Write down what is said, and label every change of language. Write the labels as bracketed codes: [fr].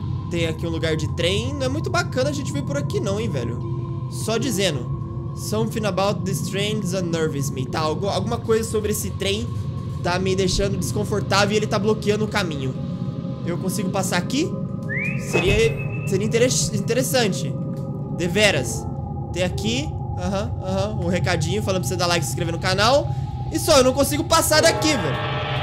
[pt] Tem aqui um lugar de trem. Não é muito bacana a gente vir por aqui não, hein, velho. Só dizendo. [en] Something about this train unnerves me. [pt] Tá, alguma coisa sobre esse trem tá me deixando desconfortável e ele tá bloqueando o caminho. Eu consigo passar aqui? Seria interessante. Deveras. Tem aqui. Um recadinho falando pra você dar like e se inscrever no canal. E só, eu não consigo passar daqui, velho.